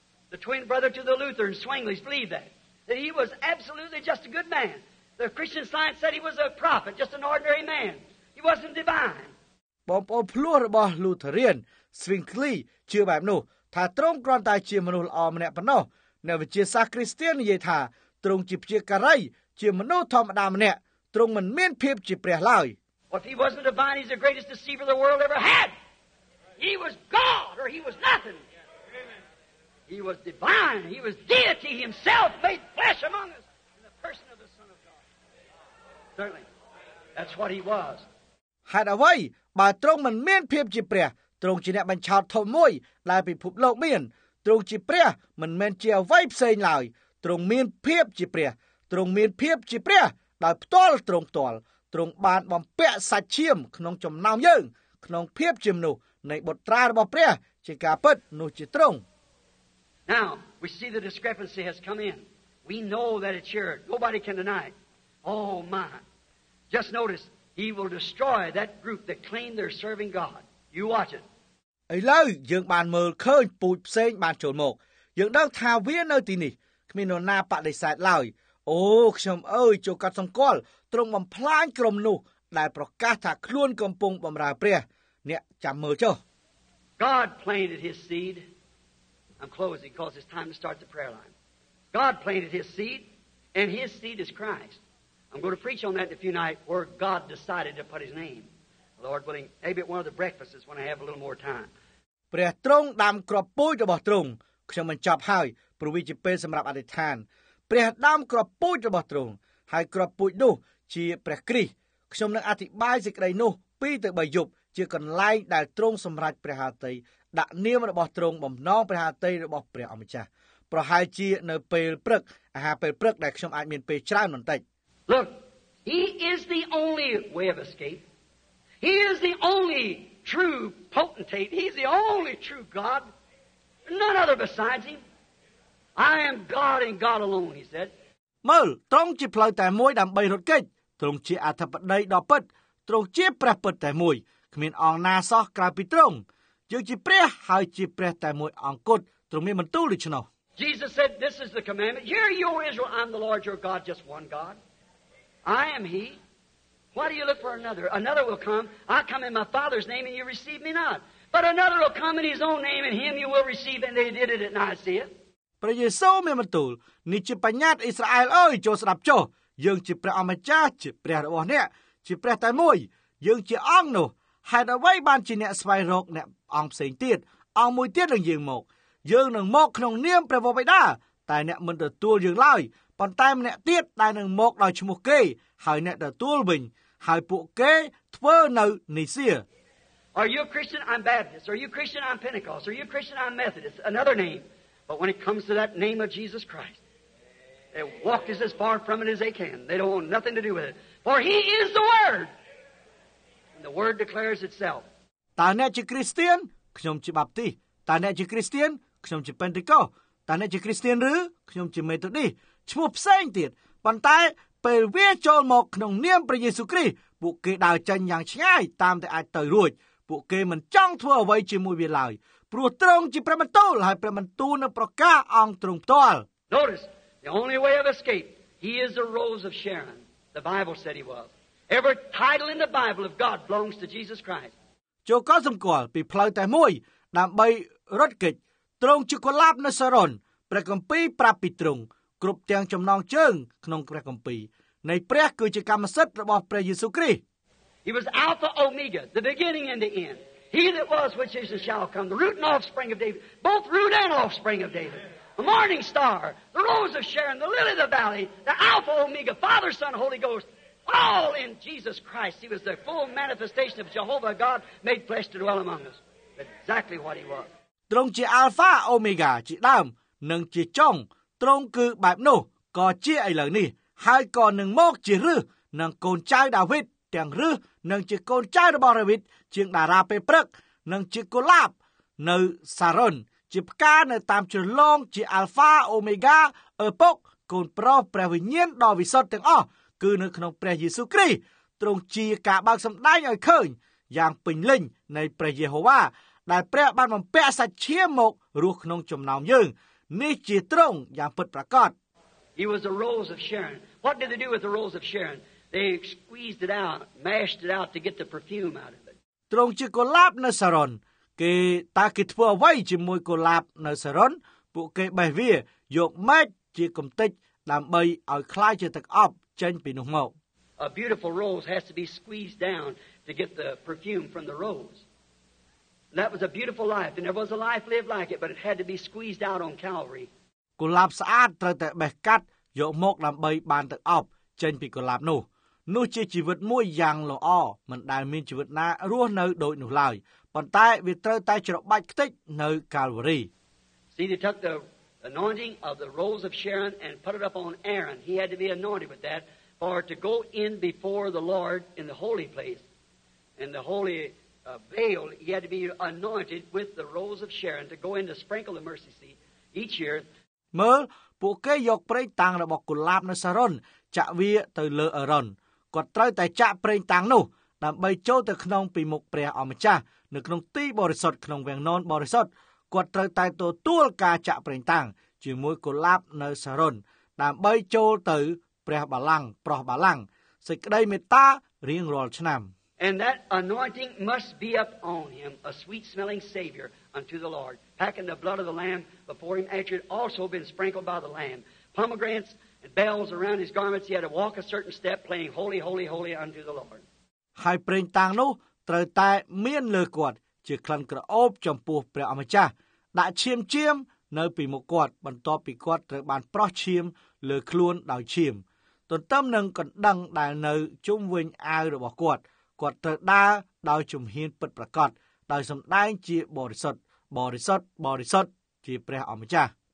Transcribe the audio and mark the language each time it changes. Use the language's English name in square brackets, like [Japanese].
[English] The twin brother to the Lutheran Zwingli believed that that he was absolutely just a good man the Christian Science said he was a prophet just an ordinary man he wasn't divine [Khmer] បងប្អូនភ្លោះរបស់លូថារៀន Zwingli ជឿបែបនោះថាត្រង់គ្រាន់តែជាមនុស្សល្អម្នាក់ប៉ុណ្ណោះនៅវិជ្ជាសាស្ត្រគ្រីស្ទាននិយាយថាត្រង់ជាព្យាករីជាមនុស្សធម្មតាម្នាក់ត្រង់មិនមានភាពជាព្រះឡើយ [English] What he wasn't divine he's the greatest deceiver the world ever had He was God or he was nothing He was divine he was deity himself made flesh among us in the person of the son of God Certainly that's what he was [Khmer] ហើយអ្វីបើត្រង់មិនមានភាពជាព្រះត្រង់ជាអ្នកបញ្ឆោតធំមួយដែលពិភពលោកមានត្រង់ជាព្រះមិនមែនជាអ្វីផ្សេងឡើយត្រង់មានភាពជាព្រះត្រង់មានភាពជាព្រះដោយផ្ទាល់ត្រង់ផ្ទាល់ត្រង់បានបំពាក់សាច់ឈាមក្នុងចំណោមយើងក្នុងភាពជាមនុស្សនៃបុត្រារបស់ព្រះជាការពិតនោះជាត្រង់ [English] Now we see the discrepancy has come in we know that it's here nobody can deny it. Oh my just notice he will destroy that group that claim they're serving God you watch it [Khmer] ឥឡូវយើងបានមើលឃើញពូជផ្សេងបានចូលមកយើងដឹងថាវានៅទីនេះគ្មាននរណាបដិសេធឡើយអូខ្ញុំអើយចូលកាត់សម្គាល់ត្រង់បំផ្លាញក្រុមនោះដែលប្រកាសថាខ្លួនកំពុងបម្រើព្រះអ្នកចាំមើលចុះ [English] God planted his seed I'm closing because it's time to start the prayer line God planted his seed and his seed is Christ I'm going to preach on that in a few nights where God decided to put his nameLord willing, maybe at one of the breakfasts when I have a little more time. [Khmer] ព្រះទ្រង់ដាំគ្រាប់ពូជរបស់ទ្រង់ខ្ញុំបញ្ចប់ហើយព្រោះវាជាពេលសម្រាប់អធិដ្ឋានព្រះដាំគ្រាប់ពូជរបស់ទ្រង់ហើយគ្រាប់ពូជនោះជាព្រះគ្រីស្ទខ្ញុំនឹងអធិប្បាយសេចក្តីនោះ2ទៅ3យប់ជាកន្លែងដែលទ្រង់សម្រេចព្រះហឫទ័យដាក់នាមរបស់ទ្រង់បំណងព្រះហឫទ័យរបស់ព្រះអម្ចាស់ប្រហែលជានៅពេលព្រឹកអាហារពេលព្រឹកដែលខ្ញុំអាចមានពេលច្រើនបន្តិច [English] Look, he is the only way of escape. He is the only true potentate. He's the only true God. None other besides him. I am God and God alone, he said. [Khmer] មើលត្រង់ជាផ្លូវតែមួយដើម្បីរត់គេចត្រង់ជាអធិបតីដ៏ពិតត្រង់ជាព្រះពិតតែមួយគ្មានអង្គណាសោះក្រៅពីត្រង់យើងជាព្រះហើយជាព្រះតែមួយអង្គត់ត្រង់មានបន្ទូលដូច្នោះ [English] Jesus said, this is the commandment. Hear, O Israel, I am the Lord your God, just one God. I am he. Why do you look for another? Another will come. I come in my Father's name and you receive me not. But another will come in his own name and him you will receive and they did it at Nicaea. [Khmer] ព្រះយេស៊ូវមានបន្ទូលនេះជាបញ្ញត្តិអ៊ីស្រាអែលអើយចូលស្ដាប់ចុះយើងជាព្រះអម្ចាស់ជាព្រះរបស់អ្នកជាព្រះតែមួយយើងជាអង្គនោះហេតុអ្វីបានជាអ្នកស្វែងរកអ្នកអង្គផ្សេងទៀតអង្គមួយទៀតនឹងយើងមកយើងនឹងមកក្នុងនាមព្រះវរបិតាតែអ្នកមិនទទួលយើងឡើយប៉ុន្តែម្នាក់ទៀតដែលនឹងមកដោយឈ្មោះគេហើយអ្នកទទួលវិញហើយពួកគេធ្វើនៅនីសៀ [English] Are you a Christian? I'm Baptist. Are you a Christian? I'm Pentecost. Are you a Christian? I'm Methodist. Another name. But when it comes to that name of Jesus Christ, they walk as far from it as they can. They don't want nothing to do with it. For he is the Word. And the Word declares itself. [Khmer] តើអ្នកជាគ្រីស្ទានខ្ញុំជាបាបទីតើអ្នកជាគ្រីស្ទានខ្ញុំជាពេនទេកូតើអ្នកជាគ្រីស្ទានឬខ្ញុំជាមេតូឌីសឈ្មោះផ្សេងទៀតប៉ុន្តែពេលវាចូលមកក្នុងនាមព្រះយេស៊ូវគ្រីស្ទពួកគេដើរចេញយ៉ាងឆ្ងាយតាមតែអាចទៅរួចពួកគេមិនចង់ធ្វើអ្វីជាមួយវាឡើយព ព្រោះត្រង់ជាព្រះបន្ទូលហើយព្រះបន្ទូលនឹងប្រកាសអង្គត្រង់ផ្ទាល់ [English] Notice the only way of escape he is the rose of Sharon the Bible said he was every title in the Bible of God belongs to Jesus Christ [Khmer] ចូលកោសំគាល់ពីផ្លូវតែមួយដើម្បីរត់គេចត្រង់ជាកុលាបនៅសារ៉ុនព្រះគម្ពីរប្រាប់ពីត្រង់គ្រប់ទាំងចំណងជើងក្នុងព្រះគម្ពីរនៃព្រះគឺជាកម្មសិទ្ធិរបស់ព្រះយេស៊ូវគ្រីស្ទ [English] He was Alpha Omega the beginning and the end He that was, which is, and shall come, the root and offspring of David, both root and offspring of David, the morning star, the rose of Sharon, the lily of the valley, the Alpha, Omega, Father, Son, Holy Ghost, all in Jesus Christ. He was the full manifestation of Jehovah God, made flesh to dwell among us. Exactly what he was. Trong chi Alpha, Omega, chi Dam, nâng chi Chong, trong cư bạp nô, có chi ấy lời ni, hai có nâng mốc chi rư, nâng con trai David, tiếng rư, nâng chi con trai rư bò rư vít, [Khmer] ជាងដារ៉ាពេលព្រឹកនិងជាកូឡាបនៅសារ៉ុនជាផ្កានៅតាមជ្រលងជាអាល់ហ្វាអូមេហ្គាអពុកកូនប្រុសព្រះវិញ្ញាណដ៏វិសុទ្ធទាំងអស់គឺនៅក្នុងព្រះយេស៊ូវគ្រីស្ទទ្រង់ជាការបើកសម្ដែងឲ្យឃើញ យ៉ាងពេញលេញនៃព្រះយេហូវ៉ាដែលព្រះបានបំពាក់សច្ឈាមកនោះក្នុងចំណោមយើងនេះជាទ្រង់យ៉ាងពិតប្រាកដ [English] He was the rose of Sharon. What did they do with the rose of Sharon? They squeezed it out, mashed it out to get the perfume out of it. [Khmer] ត្រង់ជាកូឡាបនៅសារ៉ុនគេតាគេធ្វើអ្វីជាមួយកូឡាបនៅសារ៉ុនពួកគេបេះវាយកម៉េចជាកំទេចដើម្បីឲ្យខ្លាយជាទឹកអប់ចេញពីនោះមក [English] A beautiful rose has to be squeezed down to get the perfume from the rose. That was a beautiful life and there was a life lived like it but it had to be squeezed out on Calvary. [Khmer] កូឡាបស្អាតត្រូវតែបេះកាត់យកមកដើម្បីបានទឹកអប់ចេញពីកូឡាបនោះនោះជាជីវិតមួយយ៉ាងល្អមិនដែលមានជីវិតណារស់នៅដូចនោះឡើយប៉ុន្តែវាត្រូវតែច្របាច់ខ្ទេចនៅកាល្វារី [English] See they took the anointing of the rose of Sharon and put it up on Aaron he had to be anointed with that for to go in before the Lord in the holy place and the holy veil he had to be anointed with the rose of Sharon to go in to sprinkle the mercy seat each year [Khmer] មើលពួកគេយកប្រេងតាំងរបស់កុលាបនៅសារ៉ុនចាក់វាទៅលើអរ៉ុនគាត់ត្រូវតែចាក់ប្រេងតាំងនោះដើម្បីចូលទៅក្នុងពីមុខព្រះអម្ចាស់នៅក្នុងទីបរិសុទ្ធក្នុងវាំងននបរិសុទ្ធគាត់ត្រូវតែទទួលការចាក់ប្រេងតាំងជាមួយកូឡាបនៅសារ៉ុនដើម្បីចូលទៅព្រះបល្ល័ង្កប្រោះបល្ល័ង្កសេចក្តីមេត្តារៀងរាល់ឆ្នាំ [English] And that anointing must be up on him a sweet smelling savior unto the Lord packing the blood of the lamb before him after it also been sprinkled by the lamb pomegranates And bells around his garments he had to walk a certain step playing holy holy holy unto the Lord [Khmer] ហើយព្រេងតាំងនោះត្រូវតែមានលើគាត់ជាក្លិនក្រអូបចំពោះព្រះអម្ចាស់ដាក់ឈាមឈាមនៅពីមុខគាត់បន្ទាប់ពីគាត់ត្រូវបានប្រោះឈាមលើខ្លួនដោយឈាមទន្ទឹមនឹងកណ្ដឹងដែលនៅជុំវិញអាវរបស់គាត់គាត់ត្រូវដើរដោយជំហានពិតប្រាកដដោយសម្ដែងជាបរិសុទ្ធបរិសុទ្ធបរិសុទ្ធជាព្រះអម្ចាស